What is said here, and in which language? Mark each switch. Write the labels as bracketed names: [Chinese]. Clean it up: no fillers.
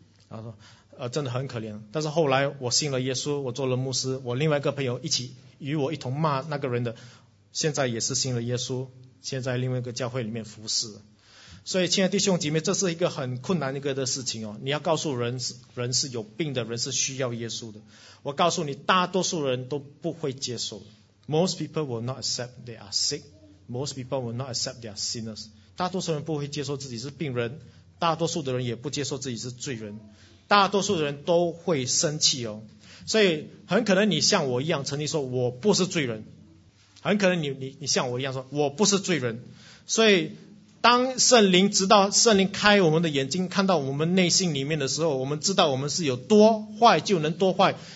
[Chinese] 然后说，真的很可怜。但是后来我信了耶稣，我做了牧师，我另外一个朋友一起与我一同骂那个人的，现在也是信了耶稣，现在另外一个教会里面服侍。所以亲爱的弟兄姐妹，这是一个很困难一个的事情哦。你要告诉人，人是有病的，人是需要耶稣的。我告诉你，大多数人都不会接受。 [English] Most people will not accept they are sick. Most people will not accept they are sinners. [Chinese] 大多数人不会接受自己是病人，大多数的人也不接受自己是罪人，大多数的人都会生气哦。所以很可能你像我一样曾经说我不是罪人，很可能你像我一样说我不是罪人。所以当圣灵，直到圣灵开我们的眼睛，看到我们内心里面的时候，我们知道我们是有多坏就能多坏。